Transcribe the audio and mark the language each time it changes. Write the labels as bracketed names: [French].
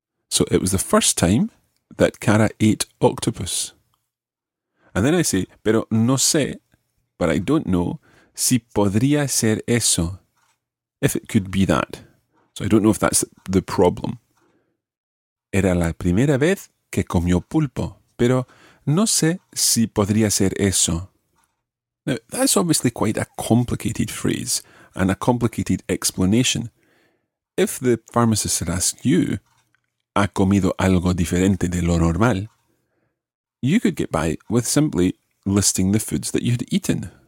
[English] So it was the first time that Cara ate octopus. And then I say, [Spanish] pero no sé, [English] but I don't know, [Spanish] si podría ser eso, [English] if it could be that. So I don't know if that's the problem. [Spanish] Era la primera vez que comió pulpo, pero no sé si podría ser eso. [English] Now, that's obviously quite a complicated phrase and a complicated explanation. If the pharmacist had asked you, [Spanish] ¿Ha comido algo diferente de lo normal? [English] You could get by with simply listing the foods that you had eaten.